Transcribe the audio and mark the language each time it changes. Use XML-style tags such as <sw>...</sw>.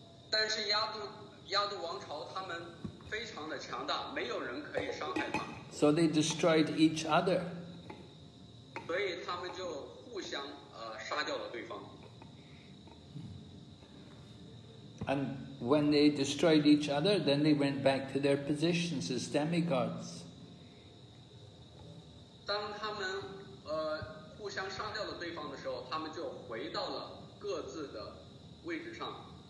<zh>但是亚杜王朝他们非常的强大，没有人可以伤害他。</zh> <en>So they destroyed each other.</en> <zh>所以他们就互相杀掉了对方。</zh> <en>And when they destroyed each other, then they went back to their positions as demigods.</en> <zh>当他们互相杀掉了对方的时候，他们就回到了各自的位置上。</zh>